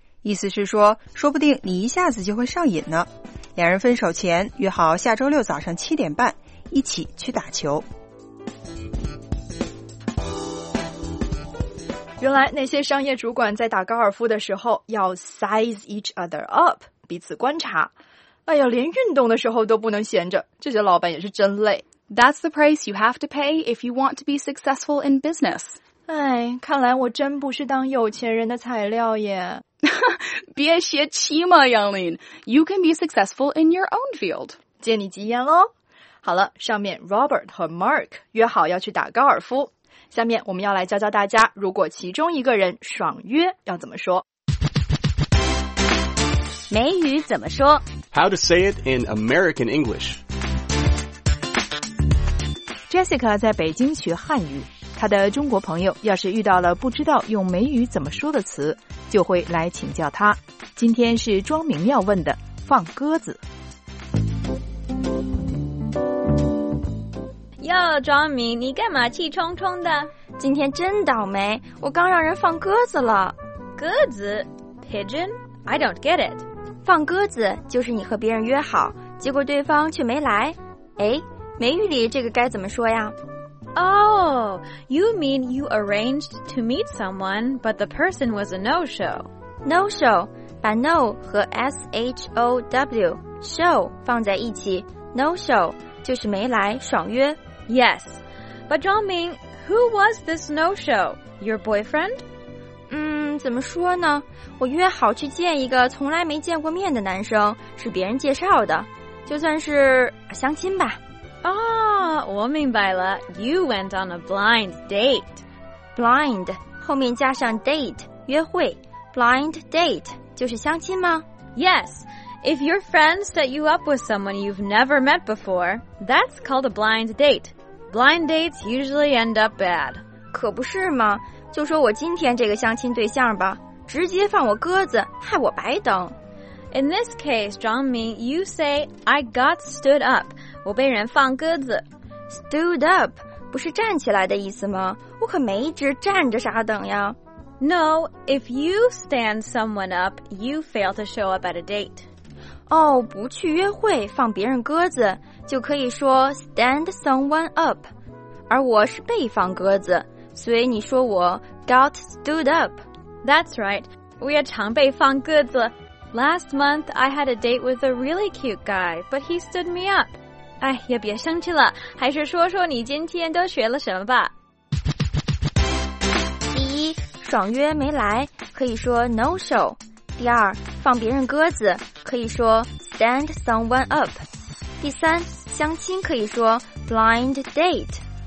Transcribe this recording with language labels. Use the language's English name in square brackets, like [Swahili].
[Chinese] 意思是说，说不定你一下子就会上瘾呢。两人分手前约好下周六早上7:30一起去打球。原来那些商业主管在打高尔夫的时候要 [English] size each other up, [Chinese] 彼此观察。哎呀，连运动的时候都不能闲着，这些老板也是真累。 [English] That's the price you have to pay if you want to be successful in business. [Chinese] 哎，看来我真不是当有钱人的材料耶。别泄气嘛，杨林。 [English] You can be successful in your own field. [Chinese] 借你吉言咯。好了，上面 Robert 和 Mark 约好要去打高尔夫。下面我们要来教教大家，如果其中一个人爽约要怎么说。美语怎么说 [English] ?How to say it in American English. [Chinese] Jessica 在北京学汉语，她的中国朋友要是遇到了不知道用美语怎么说的词，就会来请教她。今天是庄明要问的放鸽子。哟，庄明，你干嘛气冲冲的？今天真倒霉，我刚让人放鸽子了。 [English] 鸽子 ？Pigeon? I don't get it. [Chinese] 放鸽子就是你和别人约好，结果对方却没来。哎，美语里这个该怎么说呀 [English] ？Oh, you mean you arranged to meet someone, but the person was a no-show. [Chinese] No-show， 把 no 和 show show 放在一起 ，no-show 就是没来，爽约。 [English] Yes, but Zhang Ming, who was this no-show? Your boyfriend? [Chinese] 怎么说呢？我约好去见一个从来没见过面的男生，是别人介绍的，就算是相亲吧。我明白了。 [English] You went on a blind date. [Chinese] Blind 后面加上 date 约会 ，blind date 就是相亲吗 [English] ？Yes. If your friend set you up with someone you've never met before, that's called a blind date. Blind dates usually end up bad. [Chinese] 可不是吗？就说我今天这个相亲对象吧，直接放我鸽子，害我白等。 [English] In this case, Zhang Ming, you say, I got stood up. [Chinese] 我被人放鸽子。 Stood up 不是站起来的意思吗？我可没一直站着傻等呀。 [English] No, if you stand someone up, you fail to show up at a date. [Chinese] 哦，不去约会放别人鸽子，就可以说 [English] stand someone up， [Chinese] 而我是被放鸽子，所以你说我 [English] got stood up。 That's right， [Chinese] 我也常被放鸽子。 [English] Last month I had a date with a really cute guy， but he stood me up。 [Chinese] 哎，也别生气了，还是说说你今天都学了什么吧。第一，爽约没来，可以说 no show。第二，放别人鸽子可以说 [English] stand someone up。 [Chinese] 第三，相亲可以说 blind date。